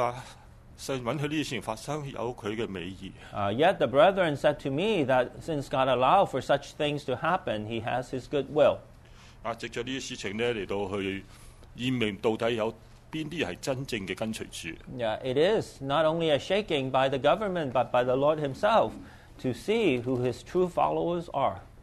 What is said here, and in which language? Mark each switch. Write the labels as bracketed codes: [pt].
[zh] 但弟兄跟我說，神允許這些事情發生，有祂的美意。 [en] Yet the brethren said to me that since God allowed for such things to happen, he has his good will. [zh] 藉著這些事情來驗明到底有 [en] It is not only a shaking by the government, but by the Lord Himself to see who His true followers are.